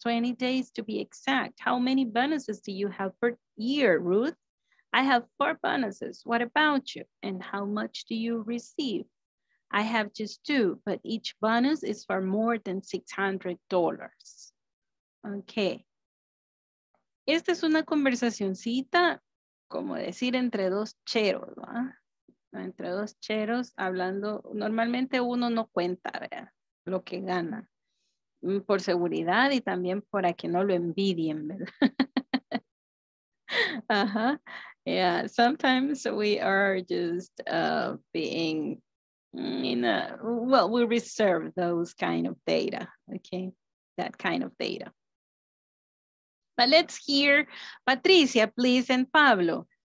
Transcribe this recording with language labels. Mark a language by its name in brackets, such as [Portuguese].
[English] 20 days to be exact. How many bonuses do you have per year, Ruth? I have 4 bonuses. What about you? And how much do you receive? I have just 2, but each bonus is for more than $600. Okay. [Spanish] Esta es una conversacioncita, como decir, entre dos cheros, ¿verdad? Entre dos cheros hablando, normalmente uno no cuenta, ¿verdad?, lo que gana por seguridad y también para que no lo envidien, ¿verdad? Uh-huh. [English] Yeah, sometimes we are just being in a, well, we reserve those kind of data, okay, that kind of data. But let's hear Patricia, please, and Pablo.